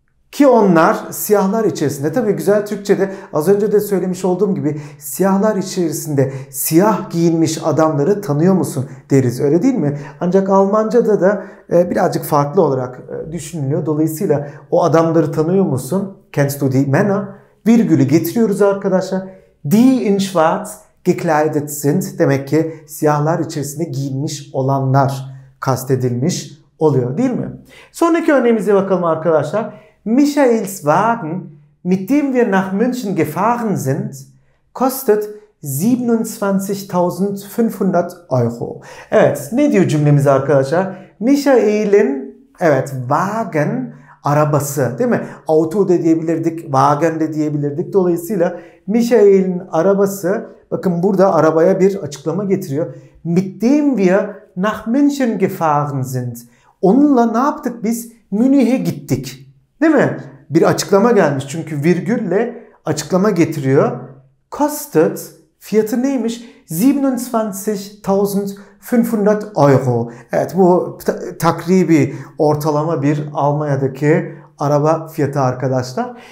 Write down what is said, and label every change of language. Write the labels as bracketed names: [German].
[Turkish] Ki onlar siyahlar içerisinde, tabii güzel Türkçe'de az önce de söylemiş olduğum gibi, siyahlar içerisinde siyah giyinmiş adamları tanıyor musun deriz, öyle değil mi? Ancak Almanca'da da birazcık farklı olarak düşünülüyor. Dolayısıyla o adamları tanıyor musun? [German] Kennst du die Männer? [Turkish] Virgülü getiriyoruz arkadaşlar. [German] Die in schwarz gekleidet sind. [Turkish] Demek ki siyahlar içerisinde giyinmiş olanlar kastedilmiş oluyor değil mi? Sonraki örneğimize bakalım arkadaşlar. [German] Michaels Wagen, mit dem wir nach München gefahren sind, kostet 27.500 Euro. [Turkish] Evet, ne diyor cümlemiz arkadaşlar? Michael'in, evet, Wagen, arabası değil mi? Auto da diyebilirdik, Wagen de diyebilirdik. Dolayısıyla Michael'in arabası, bakın burada arabaya bir açıklama getiriyor. [German] Mit dem wir nach München gefahren sind. [Turkish] Onunla ne yaptık biz? Münih'e gittik. Değil mi? Bir açıklama gelmiş. Çünkü virgülle açıklama getiriyor. Kostet, fiyatı neymiş? 27.500 euro. Evet, bu takribi ortalama bir Almanya'daki araba fiyatı arkadaşlar.